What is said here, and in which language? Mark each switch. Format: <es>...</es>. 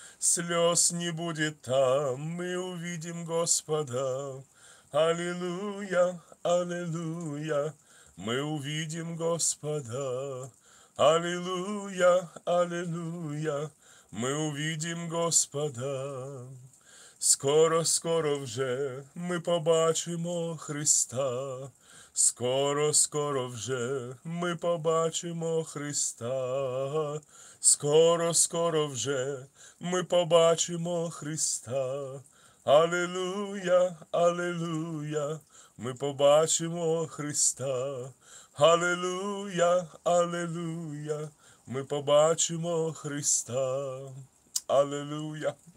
<ru>Слез не будет там, мы увидим Господа. Аллилуйя, аллилуйя, мы увидим Господа. Аллилуйя, аллилуйя, мы увидим Господа.</ru> <uk>Скоро-скоро вже мы побачимо Христа. Скоро-скоро вже мы побачимо Христа. Скоро-скоро вже мы побачимо Христа. Аллилуйя, аллилуйя, мы побачимо Христа. Аллилуйя, аллилуйя, мы побачимо Христа. Аллилуйя.</uk>